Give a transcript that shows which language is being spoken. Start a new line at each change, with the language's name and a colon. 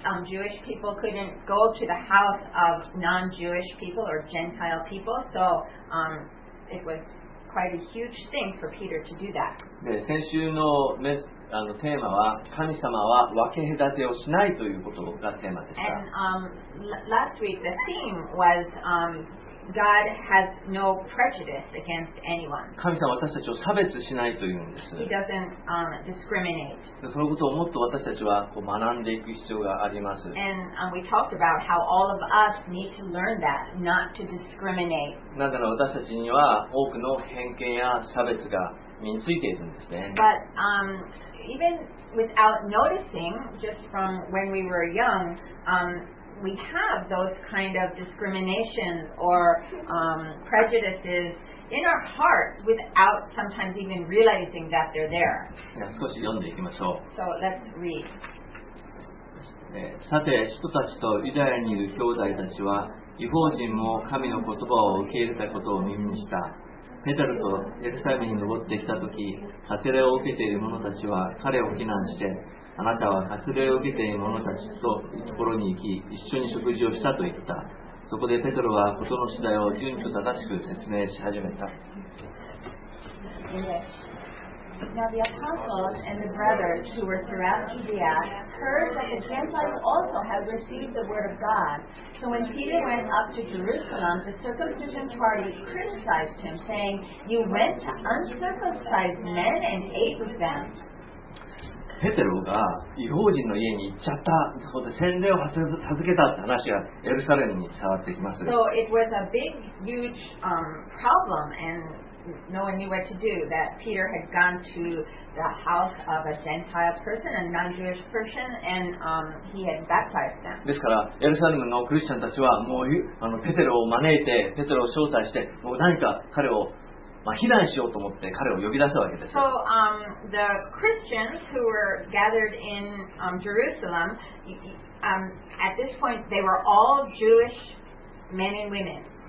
English: Jewish people couldn't go to the house of non-Jewish people or Gentile people, so it was quite a huge thing for Peter to do that.
Japanese: で、先週の、テーマは神様は分け隔てをしないということがテーマでした。
English: And last week the theme was God has no prejudice against anyone.
Japanese: 神様は私たちを差別しないというんです。
English: He doesn't discriminate.
Japanese: で、そのことをもっと私たちはこう学んでいく必要があります。
English: And we talked about how all of us need to learn that, not to discriminate.
Japanese: なぜなら私たちには多くの偏見や差別が身についているんですね。
English: But even without noticing, just from when we were young, we have those kind of discriminations or prejudices in our heart without sometimes even realizing that they're there.
Japanese: 少し読んでいきましょう。
English: So let's read.
Japanese: さて、人たちとユダヤにいる兄弟たちは、異邦人も神の言葉を受け入れたことを耳にした。ペテロとエルサレムに登ってきたとき、割礼を受けている者たちは彼を非難して、あなたは割礼を受けている者たちとところに行き、一緒に食事をしたと言った。そこでペテロは事の次第を順序正しく説明し始めた。
English: Now the apostles and the brothers who were throughout Judea heard that the Gentiles also had received the word of God. So when Peter went up to Jerusalem, the circumcision party criticized him, saying, You went to uncircumcised men and ate with them.
Japanese: ペテロが異邦人の家に行っちゃった、そこで洗礼を授けたって話がエルサレムに伝わってきます。
English: So it was a big, huge, problem and no one knew what to do that Peter had gone to the house of a Gentile person, a non-Jewish person, and he had baptized them.
Japanese: ですから、エルサレムのクリスチャンたちはもうペテロを招いて、ペテロを招待して、もう何か彼を避難しようと思って彼を呼び出すわけです。
English: So, the Christians who were gathered in Jerusalem, at this point they were all Jewish men and women.